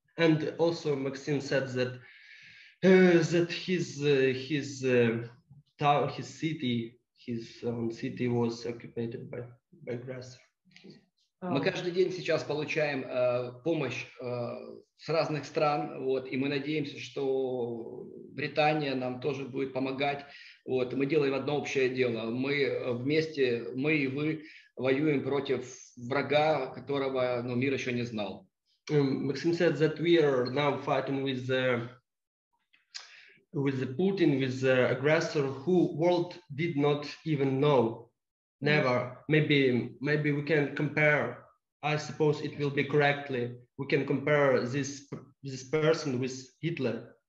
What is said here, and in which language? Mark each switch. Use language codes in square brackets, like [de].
[en] And also Maxim said that his city was occupied by aggressor. [ru] Мы каждый день сейчас получаем помощь с разных стран, вот, и мы надеемся, что Британия нам тоже будет помогать. Вот, мы делаем одно общее дело. Мы вместе, мы и вы, воюем против врага, которого мир еще не знал. [en] Максим said that we are now fighting with the Putin, with the aggressor, who world did not even know. Never. Maybe we can compare. I suppose it will be correctly. We can compare this person with Hitler.